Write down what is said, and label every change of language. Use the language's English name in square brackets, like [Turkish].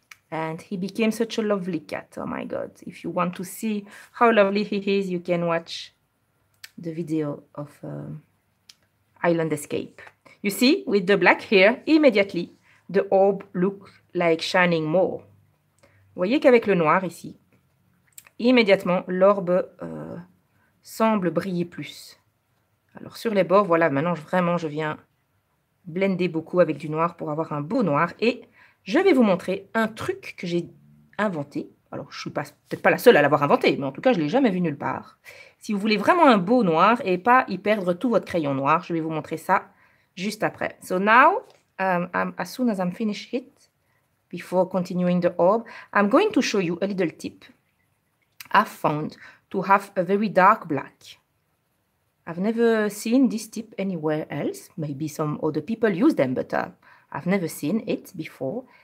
[English] And he became such a lovely cat. Oh my God. If you want to see how lovely he is, you can watch the video of Island Escape. You see, with the black hair, immediately, the orb looks like shining more. [French] Vous voyez qu'avec le noir ici, immédiatement, l'orbe semble briller plus. Alors sur les bords, voilà, maintenant vraiment, je viens blender beaucoup avec du noir pour avoir un beau noir. Et je vais vous montrer un truc que j'ai inventé. Alors, je ne suis peut-être pas la seule à l'avoir inventé, mais en tout cas, je ne l'ai jamais vu nulle part. Si vous voulez vraiment un beau noir et pas y perdre tout votre crayon noir, je vais vous montrer ça juste après. [English] So now, as soon as I'm finished it, before continuing the orb, I'm going to show you a little tip I found to have a very dark black. I've never seen this tip anywhere else. Maybe some other people use them, but I've never seen it before.